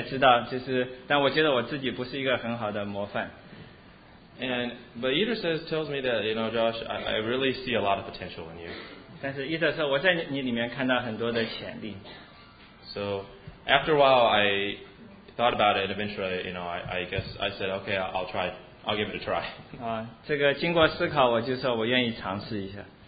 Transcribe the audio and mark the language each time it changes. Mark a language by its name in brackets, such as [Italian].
[Chinese] 我已经分享过，跟有些人分享过，可能你们也知道，就是，但我觉得我自己不是一个很好的模范。 [English] But Ether tells me that, you know, Josh, I really see a lot of potential in you. [Chinese] 但是伊特说，我在你里面看到很多的潜力。 [English] So after a while, I thought about it, and eventually, you know, I guess I said, okay, I'll try. I'll give it a try. [Chinese] 这个经过思考，我就说我愿意尝试一下。